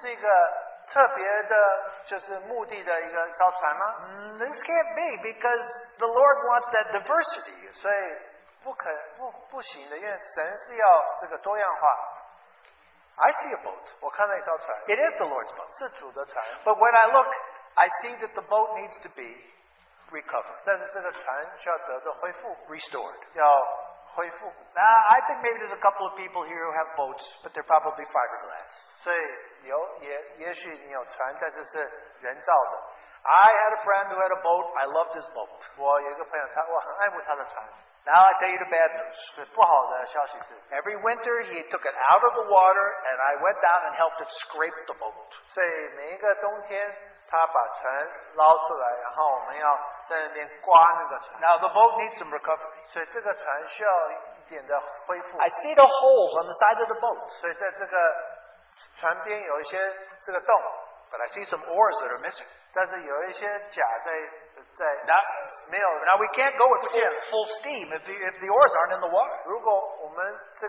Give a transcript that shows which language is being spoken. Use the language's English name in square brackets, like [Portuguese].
[Chinese] 是一个特别的就是目的的一个艘船吗? [English] This can't be because the Lord wants that diversity. [Chinese] 所以不行的，因为神是要这个多样化。 [English] I see a boat. [Chinese] 我看到一艘船。 [English] It is the Lord's boat. [Chinese] 是主的船。 [English] But when I look, I see that the boat needs to be recovered. [Chinese] 但是这个船需要得到恢复。 [English] Restored. [Chinese] 要恢复。 [English] Now, I think maybe there's a couple of people here who have boats, but they're probably fiberglass. [Chinese] 所以也许你有船，但是是人造的。 [English] I had a friend who had a boat. I loved his boat. [Chinese] 我有一个朋友，我很爱慕他的船。 [English] Now I tell you the bad news. [Chinese] 不好的消息是, [English] every winter he took it out of the water and I went down and helped it scrape the boat. [Chinese] 所以每一个冬天他把船捞出来，然后我们要在那边刮那个船。 [English] Now the boat needs some recovery. [Chinese] 所以这个船需要一点的恢复。 [English] I see the holes on the side of the boat. [Chinese] 所以在这个船边有一些这个洞。 [English] But I see some oars that are missing. [Chinese] 但是有一些甲在，没有。Now [English] we can't go with full steam if the oars aren't in the water.